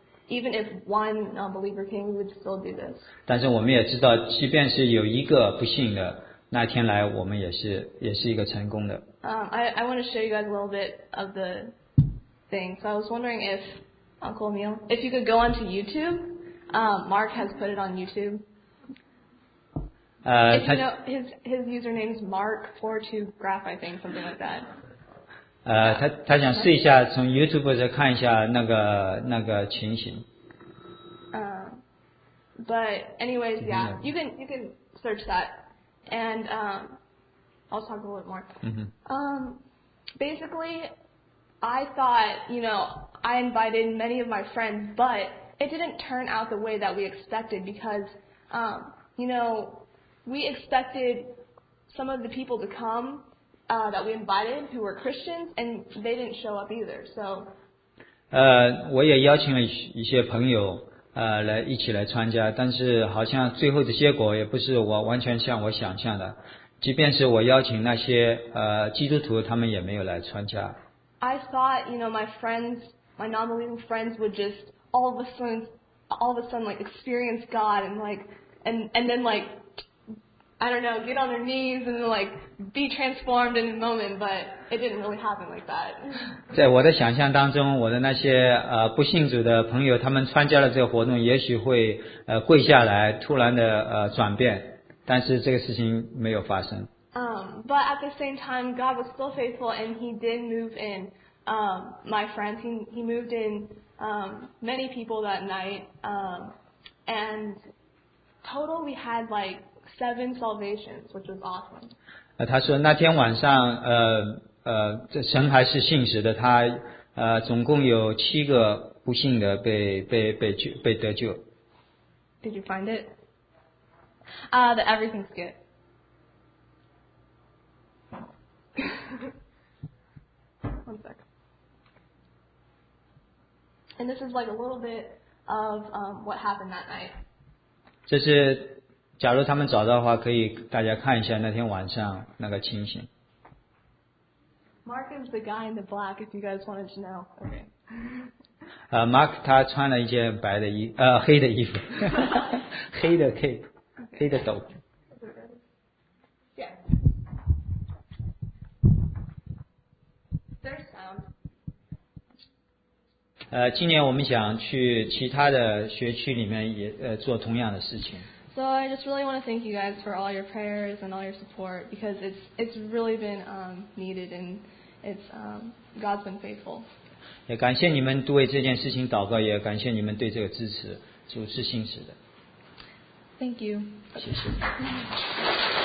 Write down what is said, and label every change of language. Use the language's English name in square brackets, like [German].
[English] Even if one non-believer came, we would still do this. [Chinese] 但是我们也知道，即便是有一个不幸的那天来，我们也是一个成功的。 [English] I want to show you guys a little bit of the thing. So I was wondering if Uncle Emil, if you could go onto YouTube. Mark has put it on YouTube. His username is Mark42Graph, I think, something like that. [Chinese] 他想试一下从 YouTube 再看一下那个情形。 [English] But anyways, yeah, you can search that, and I'll talk a little bit more. Basically, I thought, you know, I invited many of my friends, but it didn't turn out the way that we expected because, you know, we expected some of the people to come. That we invited who were Christians and they didn't show up either. So, [Chinese] 我也邀请了一些朋友来一起来参加，但是好像最后的结果也不是我完全像我想象的。即便是我邀请那些基督徒，他们也没有来参加。 [English] I thought, you know, my non-believing friends would just all of a sudden, like experience God and then. I don't know, get on their knees and like be transformed in the moment, but it didn't really happen like that. [Chinese] 在我的想象当中，我的那些不信主的朋友，他们参加了这个活动，也许会跪下来，突然的转变，但是这个事情没有发生。 [English] But at the same time, God was still faithful, and He did move in. My friends, He moved in many people that night. And total, we had like. Seven salvations, which was awesome. [Chinese] 他说那天晚上，神还是信实的，他总共有七个不幸的被得救。 [English] Did you find it? That everything's good. One sec. And this is like a little bit of what happened that night. [Chinese] 这是。假如他们找到的话，可以大家看一下那天晚上那个情形。 [English] Mark is the guy in the black, if you guys wanted to know. Okay. [Chinese] Mark 他穿了一件白的黑的衣服，黑的 cape, 黑的斗篷。 [English] Yeah. [Chinese] 今年我们想去其他的学区里面也做同样的事情。 [English] So I just really want to thank you guys for all your prayers and all your support because it's really been needed and it's God's been faithful. [Chinese] 也感谢你们为这件事情祷告，也感谢你们对这个支持，主是信实的。 [English] Thank you. [Chinese] 谢谢。